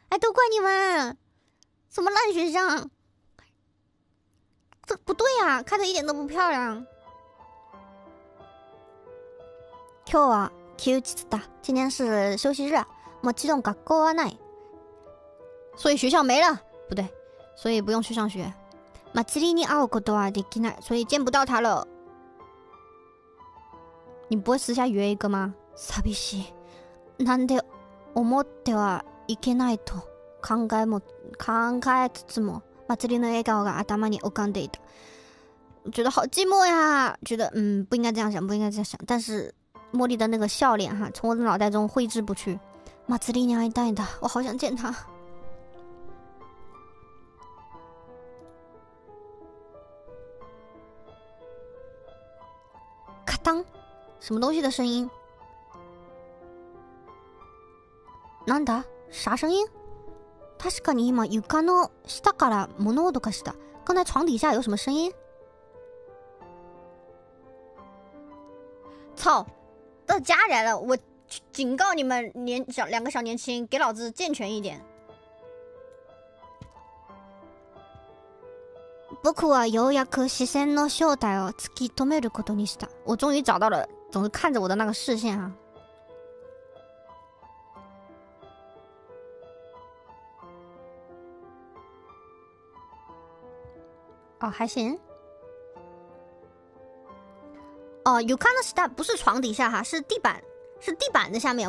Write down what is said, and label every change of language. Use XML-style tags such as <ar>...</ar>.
<zh>哎，都怪你们，什么烂选项，这不对啊，开的一点都不漂亮。</zh> <ja>今日は休日だ，</ja> <zh>今天是休息日，</zh> <ja>もちろん学校はない，</ja> <zh>所以学校没了，不对，所以不用去上学。</zh> <ja>祭りに会うことはできない，</ja> <zh>所以见不到他了。你不会私下约一个吗？</zh> <ja>寂しい。なんで思ってはいけないと考えつつも、祭りの笑顔が頭に浮かんでいた。</ja> <zh>觉得好寂寞呀，觉得不应该这样想，不应该这样想。但是茉莉的那个笑脸哈，从我的脑袋中挥之不去。</zh> <ja>祭りに会いたいんだ，</ja> <zh>我好想见他。咔当。什么东西的声音？</zh> <ja>なんだ？</ja> <zh>啥声音？</zh> <ja>確かに今床の下から物音がした。</ja> <zh>刚才床底下有什么声音？操！到家里来了，我警告你们两个小年轻，给老子健全一点。</zh> <ja>僕はようやく視線の正体を突き止めることにした。</ja> <zh>我终于找到了。总是看着我的那个视线啊。哦，还行。哦，有看到下，不是床底下哈，是地板，是地板的下面。</zh>